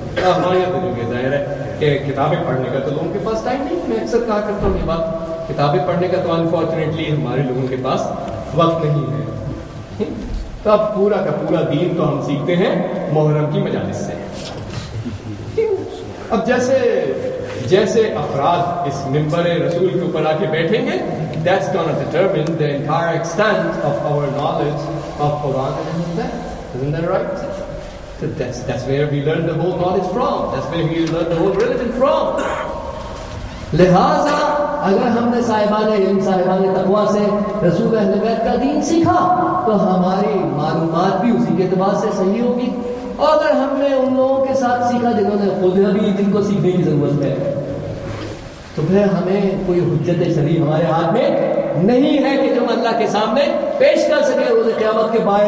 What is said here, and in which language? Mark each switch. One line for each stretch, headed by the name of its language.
Urdu: ہمارے یہاں تو یہ ظاہر ہے کہ کتابیں پڑھنے کا تو لوگوں کے پاس ٹائم نہیں, میں اکثر کہا کرتا ہوں یہ بات, کتابیں پڑھنے کا تو انفارچونیٹلی ہمارے لوگوں کے پاس وقت نہیں ہے. تو اب پورا کا پورا دین تو ہم سیکھتے ہیں محرم کی مجالس سے. اب جیسے جیسے افراد اس ممبر رسول کے اوپر آ کے بیٹھیں گے,
English: that's gonna determine the entire extent of our knowledge of Quran and Hadith, isn't that right? So that's where we learn the whole knowledge from, that's where we learn the whole religion from.
Urdu: لہذا اگر ہم نے صاحبان علم صاحبان تقوا سے رسول اہل بیت کا دین سیکھا تو ہماری معلومات بھی اسی کے اعتبار سے صحیح ہوگی, اور اگر ہم نے ان لوگوں کے ساتھ سیکھا جنہوں نے خود ابھی دین کو سیکھنے کی ضرورت ہے تو پھر ہمیں کوئی حجت شریف ہمارے ہاتھ میں نہیں ہے کہ جو ہم اللہ کے سامنے پیش کر سکے روز قیامت کے بعد.